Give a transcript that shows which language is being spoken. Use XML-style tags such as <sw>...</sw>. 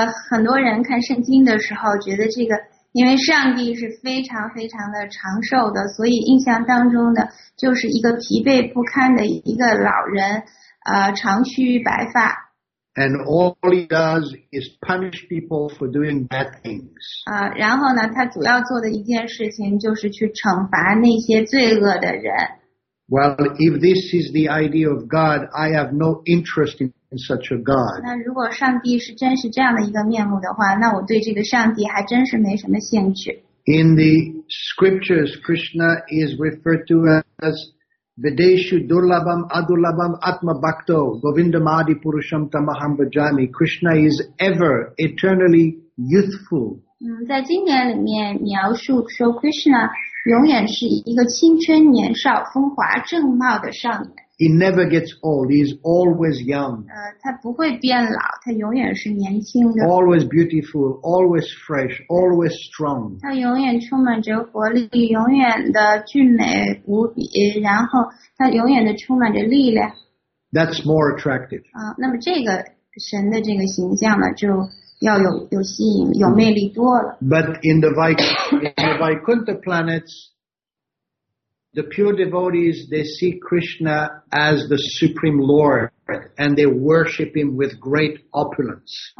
<zh>很多人看圣经的时候觉得这个，因为上帝是非常非常的长寿的，所以印象当中的就是一个疲惫不堪的一个老人，长须白发。</zh> <en>And all he does is punish people for doing bad things.</en> <zh>然后呢，他主要做的一件事情就是去惩罚那些罪恶的人。</zh> <en>Well, if this is the idea of God, I have no interest in such a God.</en> <zh>那如果上帝是真是这样的一个面目的话，那我对这个上帝还真是没什么兴趣。</zh> <en>In the scriptures, Krishna is referred to as</en> <sa>Videshu Durlabam Adurlabam Atma Bhakto Govinda Madhi Purusham Tamaham Vajami.</sa> <en>Krishna is ever eternally youthful.</en> <zh>在经典里面描述说 Krishna 永远是一个青春年少风华正茂的少年。</zh> <en>He never gets old. He is always young.</en> <zh>他不会变老，他永远是年轻的。</zh> <en>Always beautiful, always fresh, always strong.</en> <zh>他永远充满着活力，永远的俊美无比，然后他永远的充满着力量。</zh> <en>That's more attractive.</en> <zh>那么这个神的这个形象呢，就</zh> <en>But in the Vaikuntha planets, the pure devotees, they see Krishna as the Supreme Lord, and they worship Him with great opulence.</en>